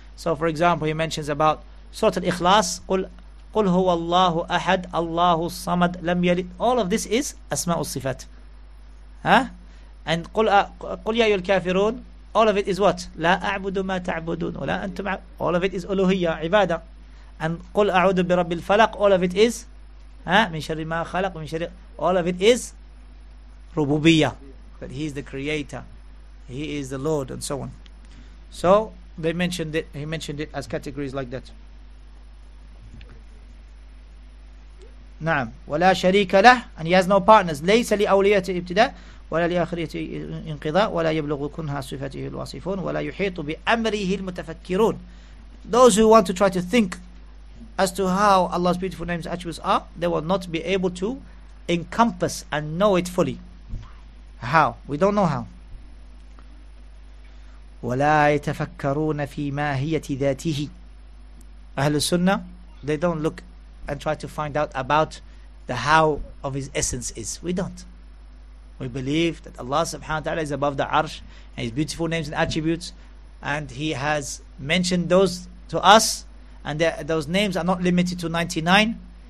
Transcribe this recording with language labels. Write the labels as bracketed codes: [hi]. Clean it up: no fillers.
[en] So for example, he mentions about Surah Al-Ikhlas, [ar] قُلْ هُوَ اللَّهُ أَحَدْ اللَّهُ الصَّمَدْ لَمْ يَلِدْ. [en] All of this is Asma'u Sifat. [ar] And قُلْ يَا أَيُّهَا الْكَافِرُونَ. [en] All of it is what? [ar] لا أعبد ما تعبدون ولا أنتم. [en] All of it is ألوهية, عبادة. [ar] And قل أعوذ برب الفلق. [en] All of it is [ar] من شر ما خلق من شر. [en] All of it is ربوبية. That He is the Creator, He is the Lord, and so on. So they mentioned it. He mentioned it as categories like that. [ar] نعم. ولا شريك له. [en] And He has no partners. [ar] ليس لأوليته ابتداء ولا لآخرته انقضاء ولا يبلغ كنها صفته الواصفون ولا يحيط بأمره المتفكرون. [en] Those who want to try to think as to how Allah's beautiful names and attributes are, they will not be able to encompass and know it fully. How? We don't know how. [ar] ولا يتفكرون في ماهية ذاته. [en] أهل السنة, they don't look and try to find out about the how of His essence is. We don't. We believe that Allah subhanahu wa ta'ala is above the arsh, and His beautiful names and attributes, and He has mentioned those to us, and those names are not limited to 99.